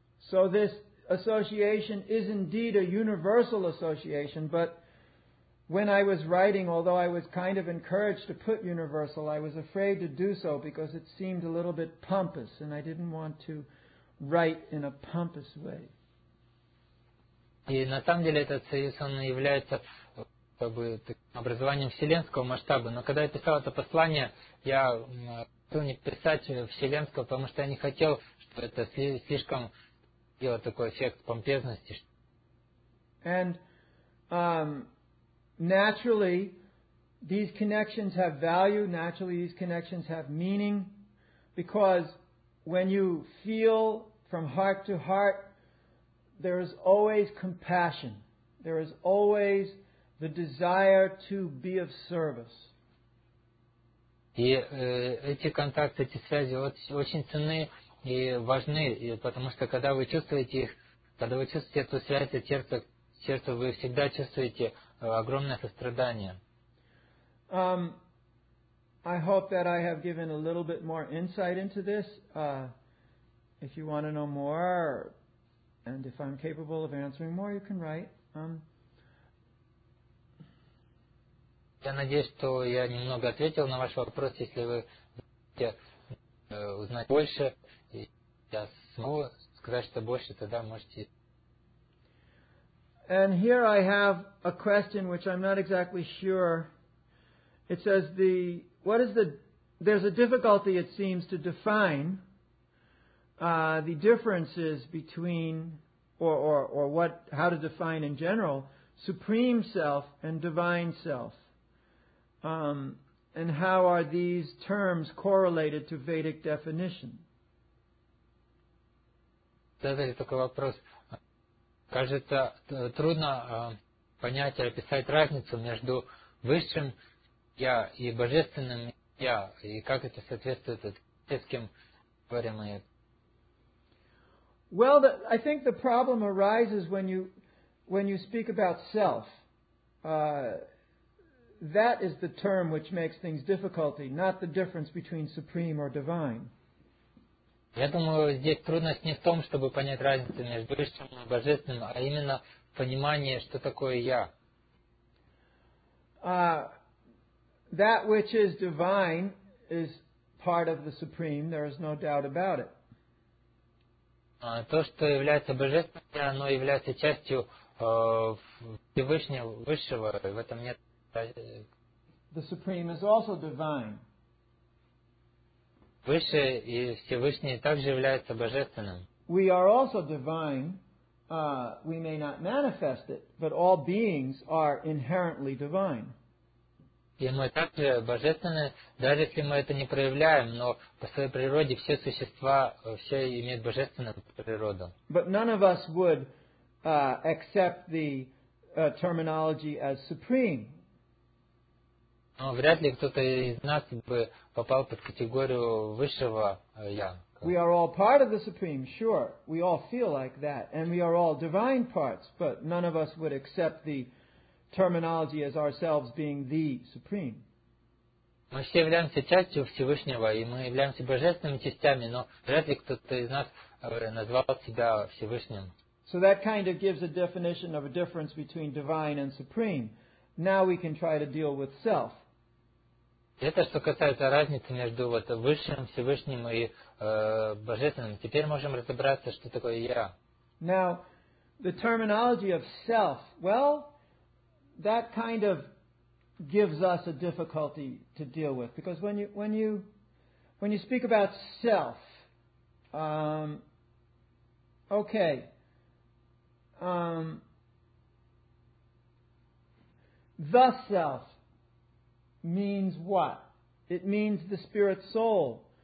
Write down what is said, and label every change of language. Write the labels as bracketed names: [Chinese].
[English] So this association is indeed a universal association, but when I was writing, although I was kind of encouraged to put universal, I was afraid to do so because it seemed a little bit pompous, and I didn't want to write in a pompous way. [Russian] И на самом деле этот союз, он является как бы образованием вселенского масштаба. Но когда я писал это послание, я хотел не писать вселенского, потому что я не хотел, что это слишком делало такой эффект помпезности. [English] And naturally, these connections have value. Naturally, these connections have meaning. Because when you feel from heart to heart, there is always compassion. There is always the desire to be of service. [Russian] И эти контакты, эти связи очень ценны и важны, и потому что когда вы чувствуете их, когда вы чувствуете эту связь, это сердце, вы всегда чувствуете огромное сострадание. [English] I hope that I have given a little bit more insight into this. If you want to know more, and if I'm capable of answering more, you can write. [Russian] Я надеюсь, что я немного ответил на ваш вопрос. Если вы хотите узнать больше, и я смогу сказать, что больше, тогда можете. [English] And here I have a question which I'm not exactly sure. It says there's a difficulty, it seems, to define the differences between how to define in general Supreme Self and Divine Self. And how are these terms correlated to Vedic definition? [Russian] Задали такой вопрос. Кажется, трудно понять или описать разницу между высшим я и божественным я, и как это соответствует этическим паримайе. [English] Well, I think the problem arises when you speak about self. That is the term which makes things difficulty, not the difference between supreme or divine. [Russian] Я думаю, здесь трудность не в том, чтобы понять разницу между высшим и божественным, а именно понимание, что такое я. [English] That which is divine is part of the supreme. There is no doubt about it. [Russian] То, что является божественным, оно является частью Всевышнего, высшего, в этом нет. [English] The supreme is also divine. [Russian] Высшее и Всевышнее также является божественным. [English] We are also divine. We may not manifest it, but all beings are inherently divine. [Russian] И мы также божественны, даже если мы это не проявляем, но по своей природе все существа, все имеют божественную природу. [English] But none of us would accept the terminology as supreme. [Russian] Но вряд ли кто-то из нас бы попал под категорию высшего я. [English] We are all part of the supreme, sure. We all feel like that. And we are all divine parts, but none of us would accept the terminology as ourselves being the supreme. [Russian] Мы все являемся частью Всевышнего, и мы являемся божественными частями, но вряд ли кто-то из нас назвал себя Всевышним. [English] So that kind of gives a definition of a difference between divine and supreme. Now we can try to deal with self. [Russian] Это что касается разницы между вот высшим, Всевышним и божественным. Теперь можем разобраться, что такое я. [English] Now, the terminology of self, well, that kind of gives us a difficulty to deal with, because when you speak about self, the self means what? It means the spirit soul,